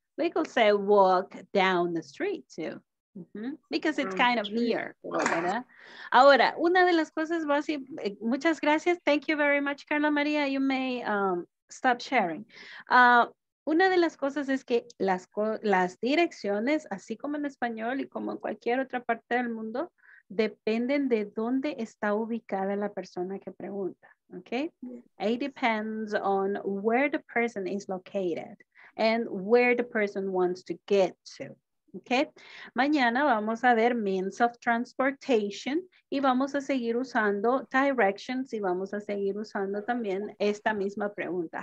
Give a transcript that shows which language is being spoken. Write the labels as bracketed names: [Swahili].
[English] We could say walk down the street too. Because it's kind of near. [Spanish] Ahora, una de las cosas básicas, muchas gracias. [English] Thank you very much, [Spanish] Carla Maria. [English] You may stop sharing. [Spanish] Una de las cosas es que las direcciones, así como en español y como en cualquier otra parte del mundo, dependen de dónde está ubicada la persona que pregunta. [English] Okay, it depends on where the person is located and where the person wants to get to. [Spanish] Okay, mañana vamos a ver [English] means of transportation [Spanish] y vamos a seguir usando directions y vamos a seguir usando también esta misma pregunta.